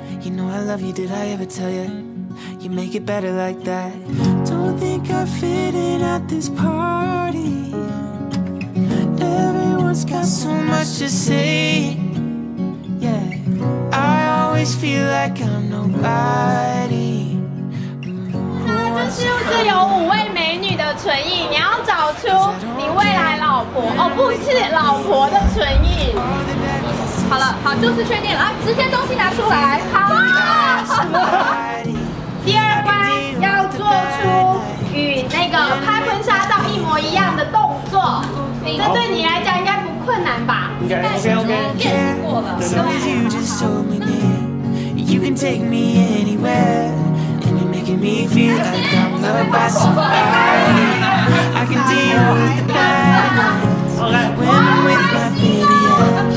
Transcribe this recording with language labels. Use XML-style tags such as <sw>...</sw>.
<en>You know I love you, did I ever tell you? You make it better like that. Don't think I fit in at this party. Everyone's got so much to say. Yeah, I always feel like I'm nobody.</en> <zh>他就是有五位美女的唇印，你要找出你未来老婆哦，不是老婆的唇印。好了，好，就是确定了，直接东西拿出来。好，第二关要做出与那个拍婚纱照一模一样的动作，这对你来讲应该不困难吧？应该 OK OK。 Get 过了，对。</zh> <en>You can take me anywhere, and you're making me feel like I'm loved by somebody. I can deal with the bad nights when I'm with my baby.</en>